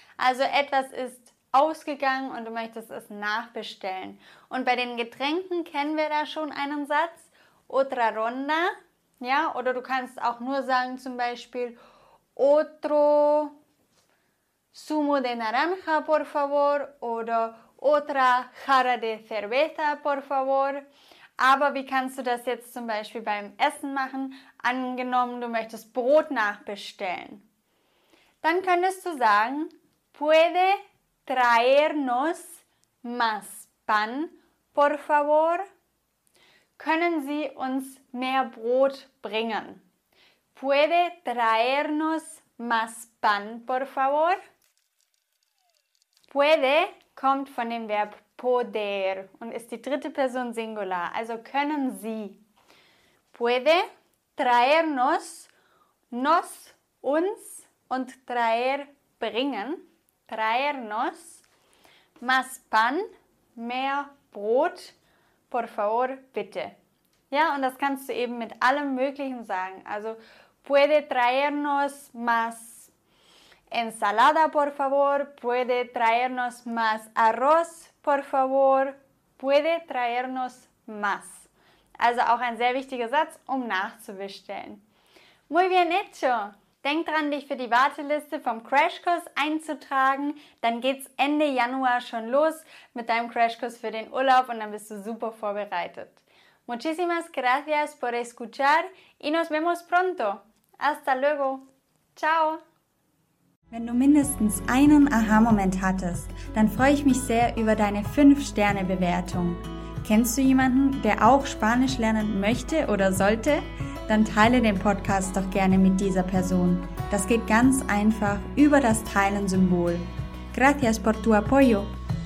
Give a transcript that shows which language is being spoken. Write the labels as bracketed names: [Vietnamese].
[German] Also etwas ist ausgegangen und du möchtest es nachbestellen. Und bei den Getränken kennen wir da schon einen Satz. [Spanish] Otra ronda. [German] Ja, oder du kannst auch nur sagen zum Beispiel [Spanish] otro zumo de naranja, por favor. [German] Oder [Spanish] otra jarra de cerveza, por favor. [German] Aber wie kannst du das jetzt zum Beispiel beim Essen machen? Angenommen, du möchtest Brot nachbestellen. Dann könntest du sagen, [Spanish] puede traernos más pan, por favor. [German] Können Sie uns mehr Brot bringen? [Spanish] Puede traernos más pan, por favor. [German] Puede kommt von dem Verb poder und ist die dritte Person Singular. Also können Sie. [Spanish] Puede traernos, [German] nos, uns und traer, bringen. [Spanish] Traernos, más pan, [German] mehr Brot, [Spanish] por favor, [German] bitte. Ja, und das kannst du eben mit allem Möglichen sagen. Also, [Spanish] puede traernos más ensalada, por favor. Puede traernos más arroz, por favor. Puede traernos más. [German] Also auch ein sehr wichtiger Satz, um nachzubestellen. [Spanish] Muy bien hecho! [German] Denk dran, dich für die Warteliste vom Crashkurs einzutragen. Dann geht's Ende Januar schon los mit deinem Crashkurs für den Urlaub und dann bist du super vorbereitet. [Spanish] Muchísimas gracias por escuchar y nos vemos pronto. Hasta luego. Ciao. [German] Wenn du mindestens einen Aha-Moment hattest, dann freue ich mich sehr über deine 5-Sterne-Bewertung. Kennst du jemanden, der auch Spanisch lernen möchte oder sollte? Dann teile den Podcast doch gerne mit dieser Person. Das geht ganz einfach über das Teilen-Symbol. [Spanish] Gracias por tu apoyo.